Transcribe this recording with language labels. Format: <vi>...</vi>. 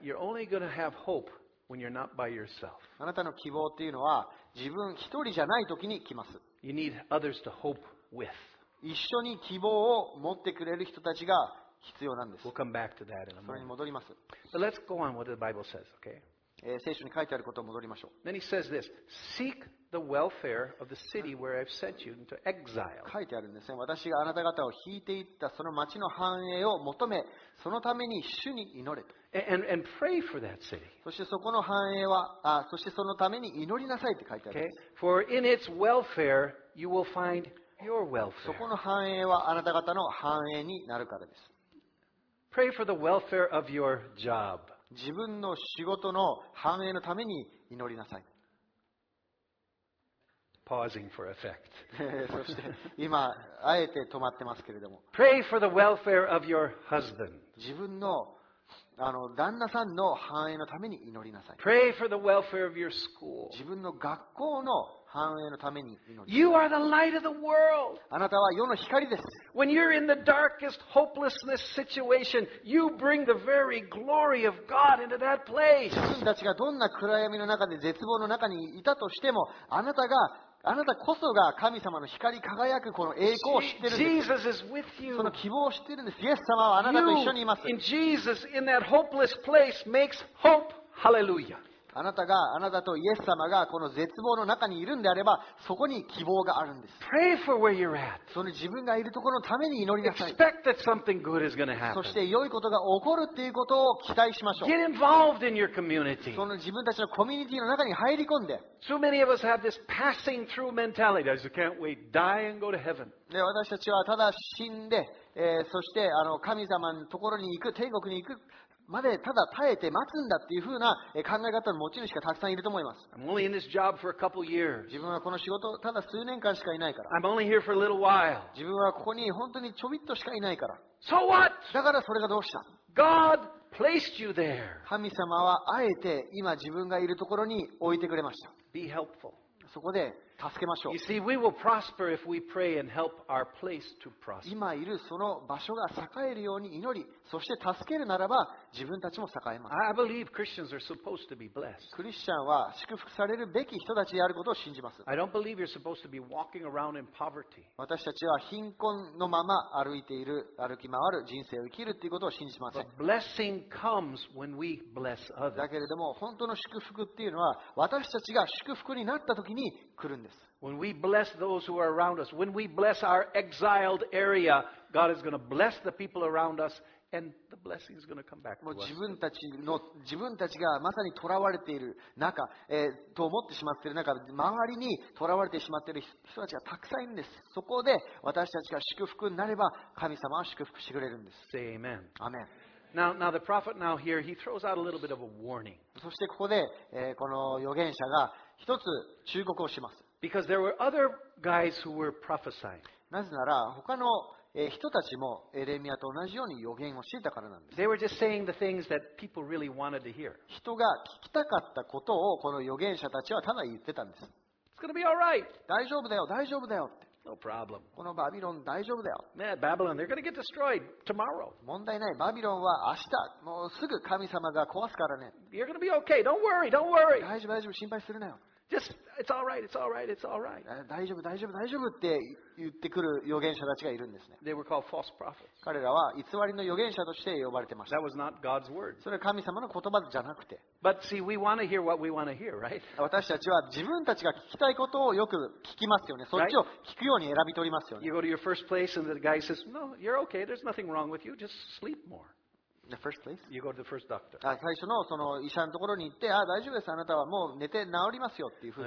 <en>You're only going to have hope when you're not by yourself.</en> <ja>あなたの希望というのは自分一人じゃない時に来ます。</ja> <en>You need others to hope with.</en> <ja>一緒に希望を持ってくれる人たちが必要なんです。</ja> <en>We'll come back to that in a moment.</en> <ja>それに戻ります。</ja> <en>But let's go on what the Bible says, okay?</en> <ja>聖書に書いてあることを戻りましょう。</ja> <en>Then he says this: Seek the welfare of the city where I've sent you into exile.</en> <ja>書いてあるんですね。私があなた方を引いていったその町の繁栄を求め、そのために主に祈れと。</ja> <en>And pray for that city.</en> <ja>そしてそこの繁栄は、そしてそのために祈りなさいって書いてあります。</ja> <en>For in its welfare you will find your welfare.</en> <ja>そこの繁栄はあなた方の繁栄になるからです。</ja> <en>Pray for the welfare of your job.</en> <ja>自分の仕事の繁栄のために祈りなさい。</ja> <en>pausing for effect.</en> <ja>そして今あえて止まってますけれども。</ja> <en>Pray for the welfare of your husband.</en> <ja>自分の旦那さんの繁栄のために祈りなさい。</ja> <en>Pray for the welfare of your school.</en> <ja>自分の学校の繁栄のために祈りなさい。</ja> <en>You are the light of the world.</en> <ja>あなたは世の光です。</ja> <en>When you're in the darkest hopelessness situation, you bring the very glory of God into that place.</en> <ja>自分たちがどんな暗闇の中で絶望の中にいたとしても、あなたこそが神様の光輝くこの栄光を知ってるんです。その希望を知ってるんです。イエス様はあなたと一緒にいます。</ja> <en>In Jesus, in that hopeless place, makes hope. Hallelujah.</en> <ja>あなたとイエス様がこの絶望の中にいるんであれば、そこに希望があるんです。</ja> <en>Pray for where you're at.</en> <ja>その自分がいるところのために祈りなさい。</ja> <en>Expect that something good is going to happen.</en> <ja>そして良いことが起こるっていうことを期待しましょう。</ja> <en>Get involved in your community.</en> <ja>その自分たちのコミュニティの中に入り込んで。</ja> <en>So many of us have this passing through mentality. I just can't wait, die and go to heaven.</en> <ja>で、私たちはただ死んで、そして神様のところに行く、天国に行く。までただ耐えて待つんだっていう風な考え方の持ち主がたくさんいると思います。</ja> <en>I'm only in this job for a couple years.</en> <ja>自分はこの仕事ただ数年間しかいないから。</ja> <en>I'm only here for a little while.</en> <ja>自分はここに本当にちょびっとしかいないから。</ja> <en>So what?</en> <ja>だからそれがどうした</ja> <en>？God placed you there.</en> <ja>神様はあえて今自分がいるところに置いてくれました。</ja> <en>Be helpful.</en> <ja>そこで助けましょう。</ja> <en>You see, we will prosper if we pray and help our place to prosper.</en> <ja>今いるその場所が栄えるように祈り、そして助けるならば自分たちも栄えます。</ja> <en>I believe Christians are supposed to be blessed.</en> <ja>クリスチャンは祝福されるべき人たちであることを信じます。</ja> <en>I don't believe you're supposed to be walking around in poverty.</en> <ja>私たちは貧困のまま歩いている、歩き回る人生を生きるということを信じません。</ja> <en>But blessing comes when we bless others.</en> <ja>だけれども本当の祝福っていうのは私たちが祝福になった時に来るんです。</ja> <en>When we bless those who are around us, when we bless our exiled area, God is going to bless the people around us.</en> <ja>自分たちがまさに囚われている中、と思ってしまっている中、周りに囚われてしまっている人たちがたくさんいるんです。そこで私たちが祝福になれば、神様は祝福してくれるんです。</ja> <en>Say amen. Amen. Now the prophet now here, he throws out a little bit of a warning.</en> <ja>そしてここで、この預言者が一つ忠告をします。</ja> <en>Because there were other guys who were prophesying.</en> <ja>なぜなら、他の人たちもエレミアと同じように予言をしていたからなんです。</ja> <en>They were just saying the things that people really wanted to hear.</en> <ja>人が聞きたかったことをこの予言者たちはただ言ってたんです。</ja> <en>It's gonna be all right.</en> <ja>大丈夫だよ、大丈夫だよって。</ja> <en>No problem.</en> <ja>このバビロン大丈夫だよ。</ja> <en>Yeah, Babylon, they're gonna get destroyed tomorrow.</en> <ja>問題ない、バビロンは明日、もうすぐ神様が壊すからね。</ja> <en>You're gonna be okay. Don't worry, don't worry.</en> <ja>大丈夫、大丈夫、心配するなよ。</ja> <en>Just, it's all right, it's all right, it's all right.</en> <ja>大丈夫、大丈夫、大丈夫って言ってくる預言者たちがいるんですね。</ja> <en>They were called false prophets.</en> <ja>彼らは偽りの預言者として呼ばれてました。</ja> <en>That was not God's word.</en> <ja>それは神様の言葉じゃなくて。</ja> <en>But see, we want to hear what we want to hear, right?</en> <ja>私たちは自分たちが聞きたいことをよく聞きますよね。そっちを聞くように選び取りますよね。</ja> <en>You go to your first place and the guy says, no, you're okay, there's nothing wrong with you, just sleep more. The first place? You go to the first doctor.</en> <ja>最初 の, その医者のところに行って、あ、大丈夫です、あなたはもう寝て治りますよっていうふうに。</ja>